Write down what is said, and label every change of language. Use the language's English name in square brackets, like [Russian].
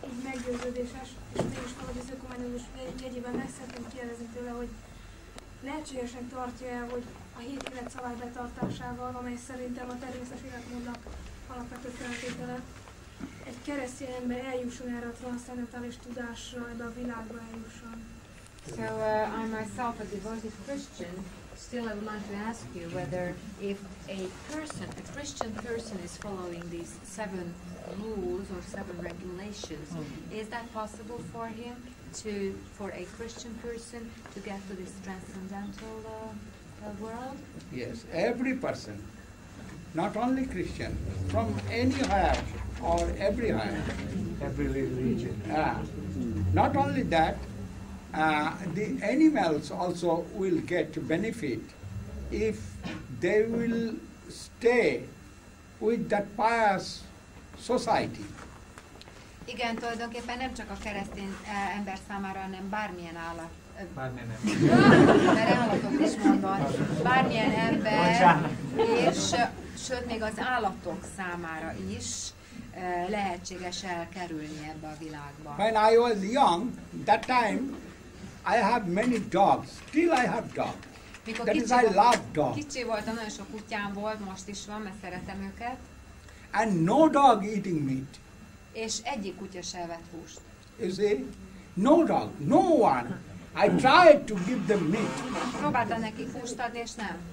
[Hungarian] Meggyőződéses, és mégis valahogy az ökumenizmus jegyében megszeretném kérdezni tőle, hogy lehetségesen tartja, hogy a hét élet szabály betartásával, amely szerintem a természetes életmódnak alapvető feltétele, egy keresztény ember eljusson erre a transzcendentális tudásra, ebbe a világba eljusson. [English] So I myself, a devoted Christian, still I would like to ask you whether if a person, a Christian person, is following these seven rules or seven regulations, is that possible for him to, for a Christian person, to get to this transcendental world? Yes, every person, not only Christian, from any higher or every higher. Every religion. Not only that, the animals also will get benefit if they will stay with that pious society. [Hungarian] Igen, tulajdonképpen nem csak a keresztény ember számára, hanem bármilyen állat. Bármilyen ember. Mert állatok is mondom. Bármilyen ember, és sőt még az állatok számára is lehetséges elkerülni ebbe a világba. [English] When I was young, that time, I have many dogs. Still I have dogs. That is, I love dogs. [Hungarian] Kicsi voltam, nagyon sok kutyám volt, most is van, mert szeretem őket. [English] And no dog eating meat. [Hungarian] És egyik kutya se evett húst. [English] You see? No dog. No one. I tried to give them meat. [Hungarian] Próbáltam neki húst adni, és nem.